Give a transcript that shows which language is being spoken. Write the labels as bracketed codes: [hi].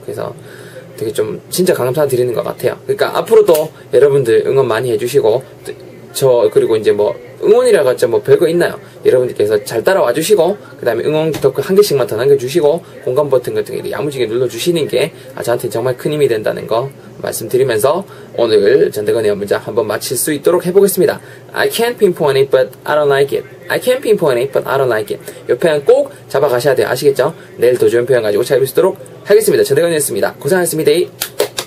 [ko] 그래서 되게 좀 진짜 감사드리는 것 같아요. 그러니까 앞으로도 여러분들 응원 많이 해주시고 저 그리고 이제 뭐 응원이라고 하죠. 뭐 별거 있나요? 여러분들께서 잘 따라와 주시고 그 다음에 응원 덕후 한 개씩만 더 남겨주시고 공감 버튼 같은 게 야무지게 눌러주시는 게 저한테 정말 큰 힘이 된다는 거 말씀드리면서 오늘 전대건의 문장 한번 마칠 수 있도록 해보겠습니다. [en] I can't pinpoint it, but I don't like it. I can't pinpoint it, but I don't like it. [ko] 이 표현 꼭 잡아가셔야 돼요. 아시겠죠? 내일 더 좋은 표현 가지고 찾아뵙도록 하겠습니다. 전대건이었습니다. 고생하셨습니다.